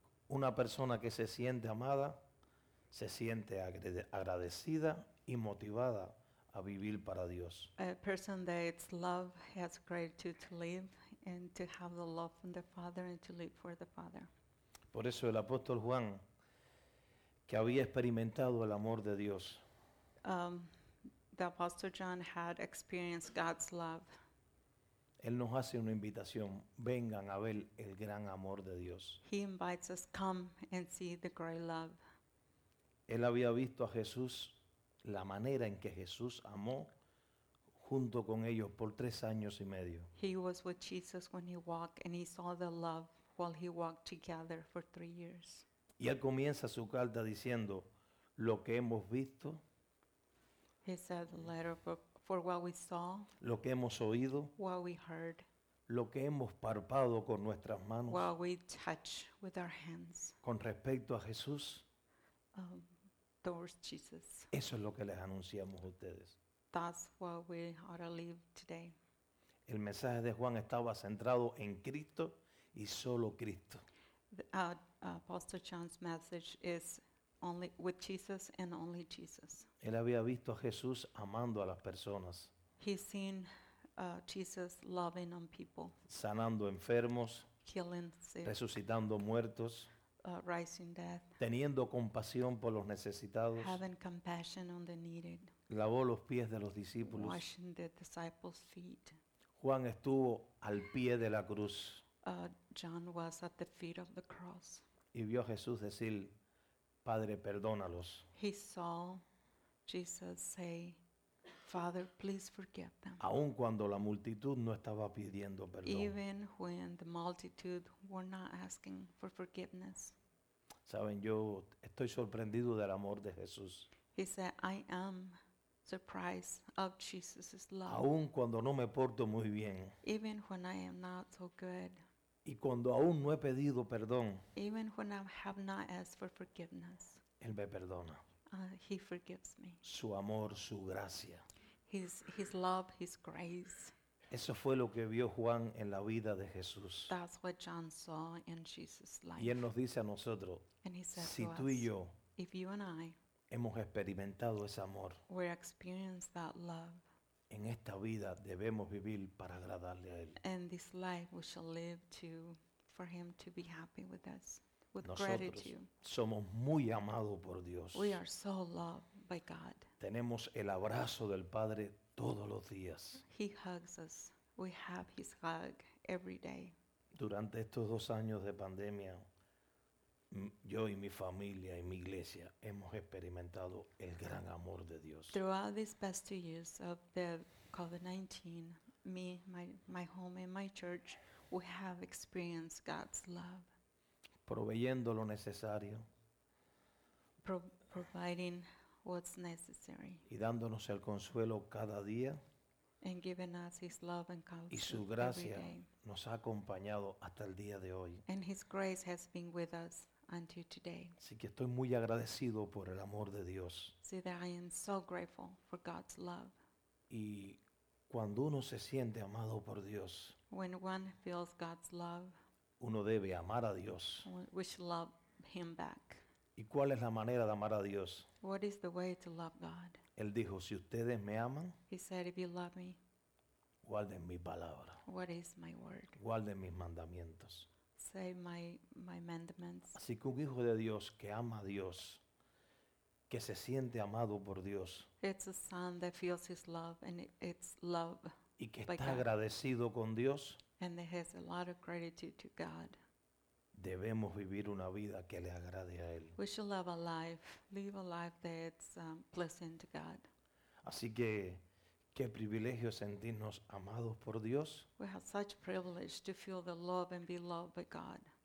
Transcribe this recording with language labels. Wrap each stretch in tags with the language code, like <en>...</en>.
<es>Una persona que se siente amada se siente agradecida y motivada a vivir para Dios.</es> <en>A person that is loved has gratitude to live and to have the love from the Father and to live for the Father.</en> <es>Por eso el apóstol Juan, que había experimentado el amor de Dios.</es> <en>The apostle John had experienced God's love.</en> <es>Él nos hace una invitación, vengan a ver el gran amor de Dios.</es> <en>He invites us, come and see the great love.</en> <es>Él había visto a Jesús, la manera en que Jesús amó junto con ellos por 3 años y medio.</es> <en>He was with Jesus when he walked and he saw the love while he walked together for 3 years.</en> <es>Y él comienza su carta diciendo, lo que hemos visto.</es> <en>He said the letter for what we saw.</en> <es>Lo que hemos oído.</es> <en>What we heard.</en> <es>Lo que hemos palpado con nuestras manos.</es> <en>What we touch with our hands.</en> <es>Con respecto a Jesús.</es> <en>Towards Jesus.</en> <es>Eso es lo que les anunciamos a ustedes.</es> <en>That's what we ought to live today.</en> <es>El mensaje de Juan estaba centrado en Cristo y solo Cristo.</es> <en>Apostle John's message is only with Jesus and only Jesus.</en> <es>Él había visto a Jesús amando a las personas.</es> <en>He's seen Jesus loving on people.</en> <es>Sanando enfermos.</es> <en>Healing sick.</en> <es>Resucitando muertos.</es> <en>Rising death.</en> <es>Teniendo compasión por los necesitados.</es> <en>Having compassion on the needed.</en> <es>Lavó los pies de los discípulos.</es> <en>Washing the disciples' feet.</en> <es>Juan estuvo al pie de la cruz.</es> <en>John was at the feet of the cross.</en> <es>Y vio a Jesús decir, Padre, perdónalos.</es> <en>He saw Jesus say, Father, please forgive them.</en> <es>Aun cuando la multitud no estaba pidiendo perdón.</es> <en>Even when the multitude were not asking for forgiveness.</en> <es>Saben, yo estoy sorprendido del amor de Jesús.</es> <en>He said, I am surprised of Jesus' love.</en> <es>Aun cuando no me porto muy bien.</es> <en>Even when I am not so good.</en> <es>Y cuando aún no he pedido perdón.</es> <en>Even when I have not asked for forgiveness.</en> <es>Él me perdona.</es> <en>He forgives me.</en> <es>Su amor, su gracia.</es> <en>His love, his grace.</en> <es>Eso fue lo que vio Juan en la vida de Jesús.</es> <en>That's what John saw in Jesus' life.</en> <es>Y él nos dice a nosotros.</es> <en>And he said</en> <es>si</es> <en>to</en> <es>tú</es> <en>us,</en> <es>y yo.</es> <en>If you and I.</en> <es>Hemos experimentado ese amor.</es> <en>We experienced that love.</en> <es>En esta vida debemos vivir para agradarle a él.</es> <en>In this life we shall live to for him to be happy with us with</en> <es>nosotros</es> <en>gratitude.</en> <es>Somos muy amados por Dios.</es> <en>We are so loved by God.</en> <es>Tenemos el abrazo del Padre todos los días.</es> <en>He hugs us. We have his hug every day.</en> <es>Durante estos 2 años de pandemia, yo y mi familia y mi iglesia hemos experimentado el gran amor de Dios.</es> <en>Throughout these past 2 years of the COVID-19, me, my home and my church, we have experienced God's love.</en> <es>Proveyendo lo necesario.</es> <en>Providing what's necessary.</en> <es>Y dándonos el consuelo cada día.</es> <en>And giving us his love and comfort.</en> <es>Y su gracia nos ha acompañado hasta el día de hoy.</es> <en>And his grace has been with us until today.</en> <es>Así que estoy muy agradecido por el amor de Dios.</es> <en>See that I am so grateful for God's love.</en> <es>Y cuando uno se siente amado por Dios,</es> <en>when one feels God's love,</en> <es>uno debe amar a Dios.</es> <en>We should love him back.</en> <es>¿Y cuál es la manera de amar a Dios?</es> <en>What is the way to love God?</en> <es>Él dijo, si ustedes me aman,</es> <en>he said, if you love me,</en> <es>guarden mi palabra.</es> <en>What is my word?</en> <es>Guarden mis mandamientos.</es> <en>Say my</en> <es>mandamientos. Así que un hijo de Dios que ama a Dios, que se siente amado por Dios,</es> <en>it's a son that feels his love and it's love</en> <es>y que está agradecido con Dios,</es> <en>and that has a lot of gratitude to God,</en> <es>debemos vivir una vida que le agrade a Él.</es> <en>We should live a life that's pleasing to God.</en> <es>Así que, qué privilegio sentirnos amados por Dios.</es> <en>We have such privilege to feel the love and be loved by God.</en>